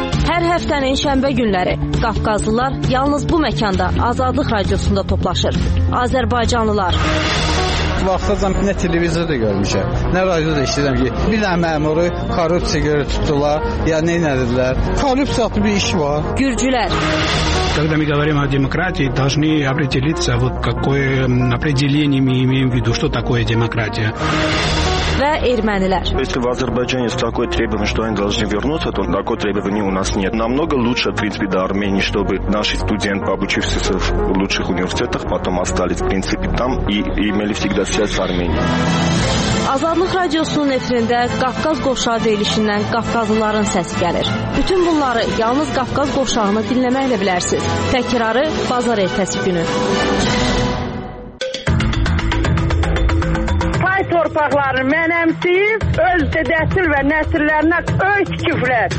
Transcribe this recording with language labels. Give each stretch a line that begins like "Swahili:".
Azerbaijani: Hər həftənin şənbə günləri Qafqazlılar yalnız bu məkanda Azadlıq Radiosunda toplaşır. Azərbaycanlılar. Vaxtacam nə televizorda görmüşəm, nə radio da işləyirəm ki, bir dənə məmuru korrupsiya görə tutdular, ya nə edirlər? Korrupsiya bir iş var. Gürcülər.
Russian: Когда мы говорим о демократии, должны определиться, вот какое определение мы имеем в виду, что такое демократия.
Azerbaijani: Və ermənilər.
Russian: Если в Азербайджане есть такое требование, что они должны вернуться, то такое требование у нас нет. Намного лучше, в принципе, до Армении, чтобы наши студенты, обучившиеся в лучших университетах, потом остались, в принципе, там и имели всегда связь с Арменией.
Azerbaijani: Azadlıq Radiosunun efirində Qafqaz Qovşağı deyilişindən Qafqazlıların səsi gəlir. Bütün bunları yalnız Qafqaz Qovşağını dinləməklə bilərsiniz. Təkrarı bazar ertəsi günü. Torpaqları mənəmsiz, öz dedəsil və nəsillərinə öz küflər.